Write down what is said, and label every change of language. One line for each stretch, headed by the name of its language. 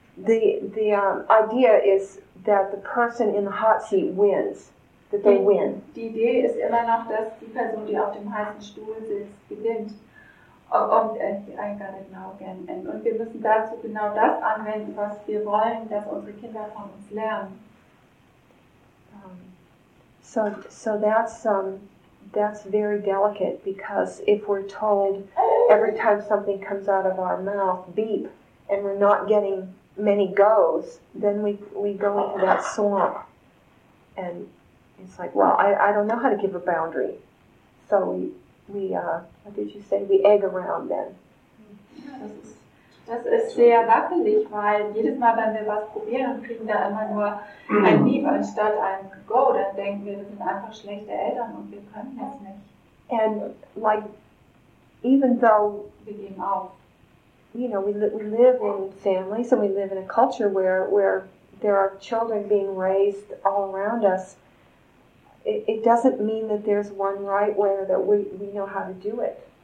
English: idea is that the person in the hot seat wins. That they win.
German: Die Idee ist immer noch, dass die Person, die auf dem heißen Stuhl sitzt, gewinnt. Und wir müssen dazu genau das anwenden, was wir wollen, dass unsere Kinder von uns lernen.
English: So that's very delicate, because if we're told every time something comes out of our mouth, beep, and we're not getting many goes, then we go into that swamp. And it's like, well, I don't know how to give a boundary. So we egg around then.
German: Das ist sehr wackelig, weil jedes Mal, wenn wir was probieren, kriegen wir immer nur ein Beep anstatt ein Go. Dann denken wir, wir sind einfach schlechte Eltern und wir können das nicht.
English: And like, even though
German: wir geben auf,
English: you know, we live in families and we live in a culture where there are children being raised all around us, it doesn't mean that there's one right way or that we know how to do it.